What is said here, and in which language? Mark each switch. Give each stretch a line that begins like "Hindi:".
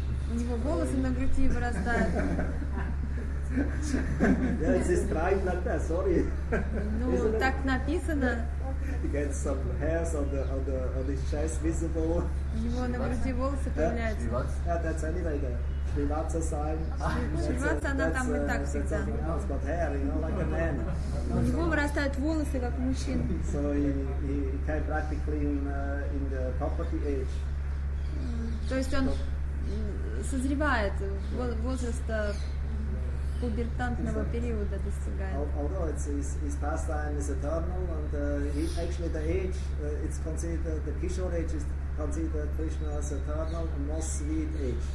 Russian: У него волосы на груди вырастают.
English: Yeah, it's described like that, sorry.
Russian: Ну, так написано.
English: He gets some hairs on his chest visible.
Russian: У него на груди волосы появляются.
English: Yeah, that's anyway the Srivatsa sign.
Russian: Srivatsa, она там и так всегда.
English: That's something else, but hair, you know, like a man.
Russian: У него вырастают волосы, как у мужчин.
English: So he came practically in the property age.
Russian: То есть он созревает возраст пубертантного периода достигает.